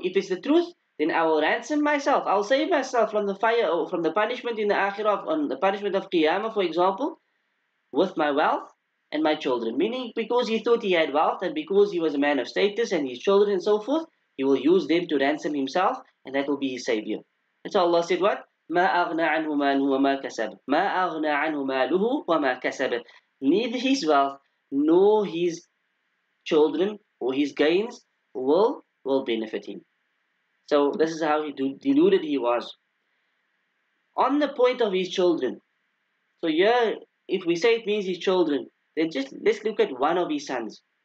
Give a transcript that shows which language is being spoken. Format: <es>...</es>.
<en>If it's the truth, then I will ransom myself. I'll save myself from the fire, or from the punishment in the akhirah, on the punishment of Qiyamah, for example, with my wealth and my children. Meaning, because he thought he had wealth, and because he was a man of status, and his children and so forth, he will use them to ransom himself, and that will be his savior. And so Allah said what?</en> <ar>مَا أَغْنَى عَنْهُ مَالُهُ وَمَا كَسَبَ مَا أَغْنَى عَنْهُ مَالُهُ وَمَا كَسَبَ.</ar> <en>Neither his wealth nor his children or his gains will benefit him. So this is how deluded he was. On the point of his children, so here, if we say it means his children, then just let's look at one of his sons.</en>